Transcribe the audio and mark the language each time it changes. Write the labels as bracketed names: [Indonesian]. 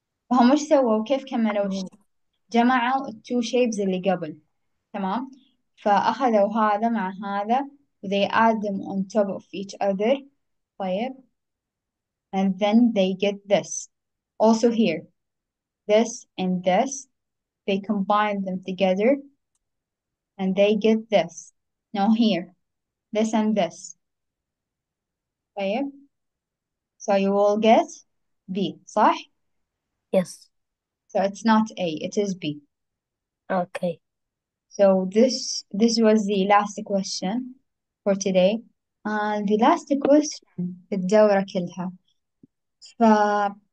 [Arabic] فهم ايش سووا؟ كيف كملوا الشيب؟ جمعوا التو شيبز اللي قبل. تمام؟ فأخذوا هذا مع هذا. [English] They add them on top of each other. طيب. And then they get this. Also here. This and this. They combine them together. And they get this. Now here. This and this. طيب. So you will get B, صح? Yes. So it's not A, it is B. Okay. So this was the last question for today. And the last question [Arabic] في الدورة كلها.